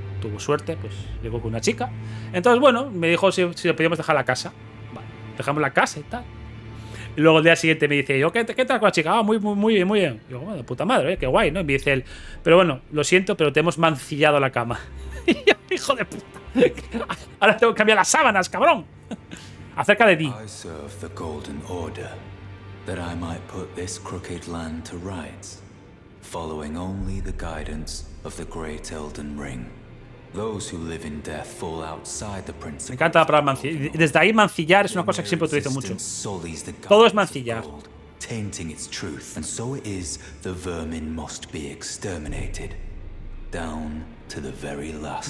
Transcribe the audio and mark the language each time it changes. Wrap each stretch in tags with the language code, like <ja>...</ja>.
<es>Tuvo suerte, pues ligó con una chica. Entonces, bueno, me dijo si le podíamos dejar la casa. Vale, dejamos la casa y tal. Y luego el día siguiente me dice, yo, ¿qué tal con la chica? Ah, muy, muy, muy bien, muy bien. Yo, bueno, puta madre, qué guay, ¿no? Y me dice él, pero bueno, lo siento, pero te hemos mancillado la cama. Y yo, hijo de puta, ahora tengo que cambiar las sábanas, cabrón. Acerca de ti.</es> <en>I serve the Golden Order, that I might put this crooked land to rights, following only the guidance of the Great Elden Ring. Those who live in death fall outside the principle.</en> <es>Me encanta la palabra mancillar. Desde ahí mancillar es una cosa que siempre utilizo mucho. Todo es mancillar.</es> <en>Tainting its truth, and so it is. The vermin must be exterminated, down to the very last.</en>